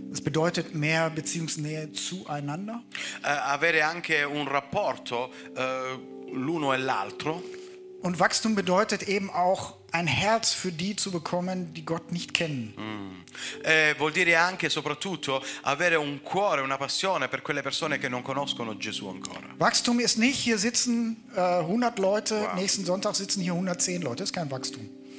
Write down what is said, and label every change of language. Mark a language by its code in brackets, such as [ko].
[de] Es bedeutet mehr Beziehungsnähe zueinander. [it] Avere anche un rapporto l'uno e l'altro. [de] Und Wachstum bedeutet eben auch ein Herz für die zu bekommen, die Gott nicht kennen. [it] Vuol dire anche soprattutto avere un cuore, una passione per quelle persone che non conoscono Gesù ancora. [de] Wachstum ist nicht, hier sitzen 100 Leute, wow. Nächsten Sonntag sitzen hier 110 Leute. Das ist kein Wachstum.